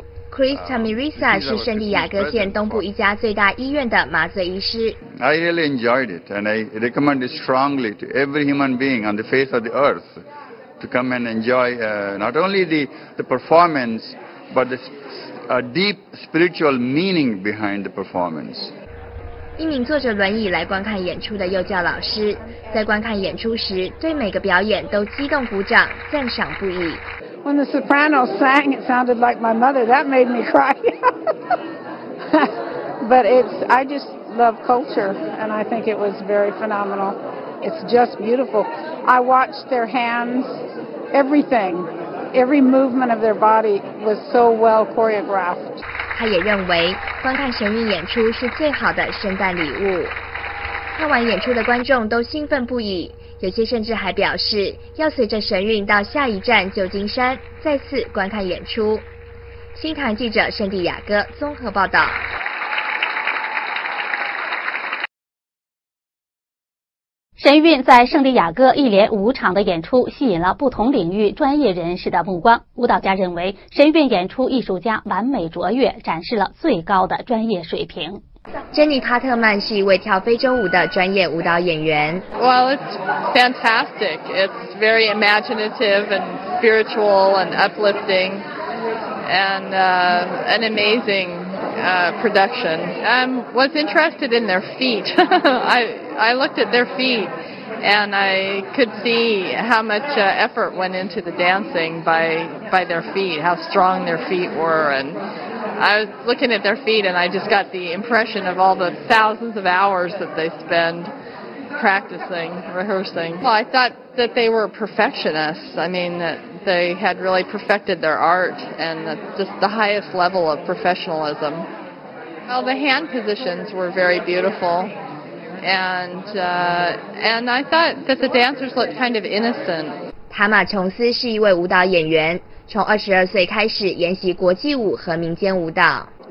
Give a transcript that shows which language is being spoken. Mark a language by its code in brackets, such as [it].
[zh] Chris Tamirisa 是圣地亚哥县东部一家最大医院的麻醉医师。 [en] I really enjoyed it, and I recommend it strongly to every human being on the face of the earth to come and enjoy not only the performance, but the a deep spiritual meaning behind the performance. [zh] 一名坐着轮椅来观看演出的幼教老师，在观看演出时，对每个表演都激动鼓掌，赞赏不已。 [en] When the soprano sang, it sounded like my mother. That made me cry. But I just love culture, and I think it was very phenomenal. It's just beautiful. I watched their hands, everything. Every movement of their body was so well choreographed. [zh] 他也认为观看神韵演出是最好的圣诞礼物。看完演出的观众都兴奋不已，有些甚至还表示要随着神韵到下一站旧金山再次观看演出。新唐记者圣地亚哥综合报道。神韵在圣地亚哥一连五场的演出吸引了不同领域专业人士的目光。舞蹈家认为，神韵演出艺术家完美卓越，展示了最高的专业水平。珍妮·帕特曼是一位跳非洲舞的专业舞蹈演员。 [en] Well, it's fantastic. It's very imaginative and spiritual and uplifting and an amazing production. Was interested in their feet. I looked at their feet and I could see how much effort went into the dancing by their feet, how strong their feet were. And I was looking at their feet and I just got the impression of all the thousands of hours that they spend practicing, rehearsing. Well, I thought that they were perfectionists. I mean, that they had really perfected their art and just the highest level of professionalism. Well, the hand positions were very beautiful. And I thought that the dancers looked kind of innocent. [zh] 塔玛·琼斯是一位舞蹈演员，从22岁开始研习国际舞和民间舞蹈。